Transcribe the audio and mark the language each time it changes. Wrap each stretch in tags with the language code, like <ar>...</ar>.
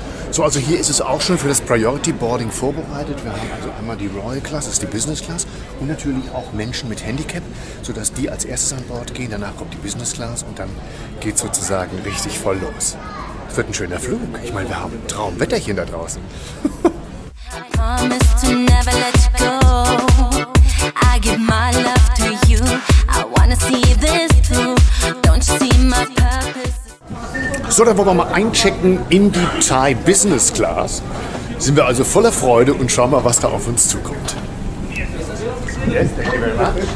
<de>So, also hier ist es auch schon für das Priority Boarding vorbereitet. Wir haben also einmal die Royal Class, das ist die Business Class. Und natürlich auch Menschen mit Handicap, sodass die als erstes an Bord gehen. Danach kommt die Business Class und dann geht's sozusagen richtig voll los. Es wird ein schöner Flug. Ich meine, wir haben ein Traumwetterchen da draußen.</de> <en>Promise to never let you go. I give my love to you. I wanna see this through. Don't you see my purpose?</en> <de>So, dann wollen wir mal einchecken in die Thai Business Class. Sind wir also voller Freude und schauen mal, was da auf uns zukommt.</de> <en>Yes, thank you very much.</en>